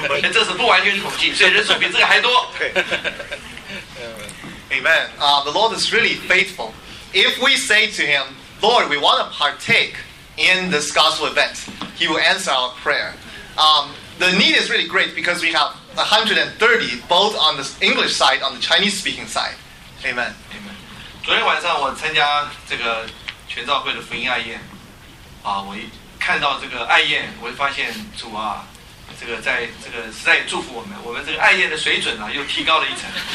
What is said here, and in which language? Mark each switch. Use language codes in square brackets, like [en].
[zh] 这是不完全统计，所以人数比这个还多。 [en] Amen. The Lord is really faithful. If we say to Him, Lord, we want to partake in this gospel event, He will answer our prayer. The need is really great because we have 130 both on the English side, on the Chinese speaking side. Amen. Amen. [zh] 昨天晚上我参加这个全召会的福音爱宴，我一看到这个爱宴，我就发现主啊，这个在这个实在也祝福我们，我们这个爱宴的水准啊又提高了一层。